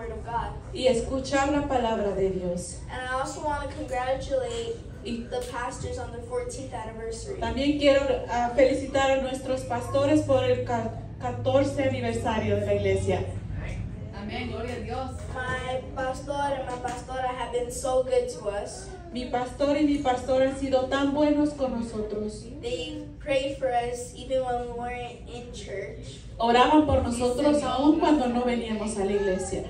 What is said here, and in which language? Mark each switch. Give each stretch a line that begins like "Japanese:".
English: And I also want to congratulate the pastors on their 14th anniversary.
Spanish: También quiero felicitar a nuestros pastores por el 14 aniversario de la iglesia. Amen. Gloria a Dios.
English: My pastor and my pastora have been so good to us.
Spanish: Mi pastor y mi pastora han sido tan buenos con nosotros.
English: They prayed for us even when we weren't in church.
Spanish: Oraban por nosotros aún cuando no veníamos a la iglesia.